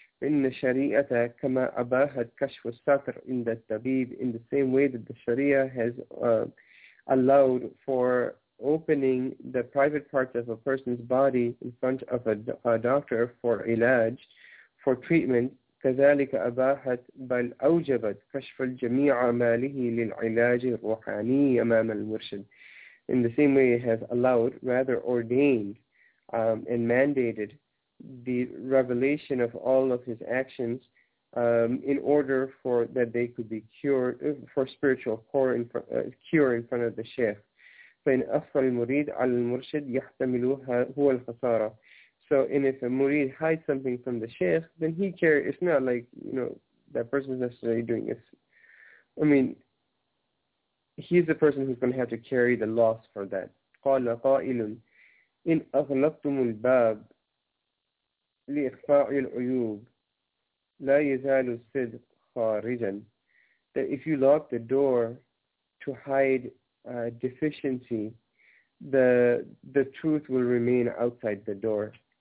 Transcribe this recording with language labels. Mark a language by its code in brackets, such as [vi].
[ar] إن الشريعة كما أباحت كشف الستر عند الطبيب, [en] in the same way that the Sharia has allowed for opening the private parts of a person's body in front of a doctor for ilaj, for treatment, [ar] كذلك أباحت بل أوجبت كشف الجميع أعماله للعلاج الروحاني أمام المرشد. [en] In the same way, it has allowed, rather ordained, and mandated the revelation of all of his actions in order for that they could be cured, for spiritual cure in front of the sheikh. [ar] فإن أخفى المريد على المرشد يحتملها هو الخسارة. [en] So, and if a murid hides something from the sheikh, then he cares. It's not like, you know, that person is necessarily doing this. I mean, he's the person who's going to have to carry the loss for that. [ar] قال قائل إن أغلقتم الباب لإخفاء العيوب لا يزال الصدق خارجا. [en] That if you lock the door to hide deficiency, the truth will remain outside the door.